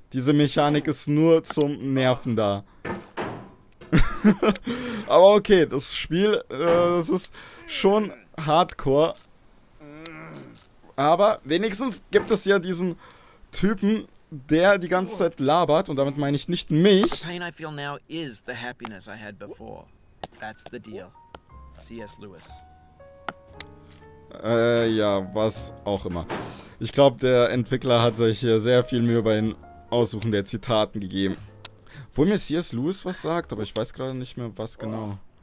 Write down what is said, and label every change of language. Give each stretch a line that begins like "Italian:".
German: Diese Mechanik ist nur zum Nerven da. Aber okay, das Spiel, das ist schon hardcore. Aber wenigstens gibt es ja diesen Typen, der die ganze Zeit labert, und damit meine ich nicht mich.
English: The pain I feel now is the happiness I had before. That's the deal. C.S. Lewis.
German: Ja, was auch immer. Ich glaube, der Entwickler hat sich hier sehr viel Mühe bei den Aussuchen der Zitaten gegeben. Obwohl mir C.S. Lewis was sagt, aber ich weiß gerade nicht mehr, was genau.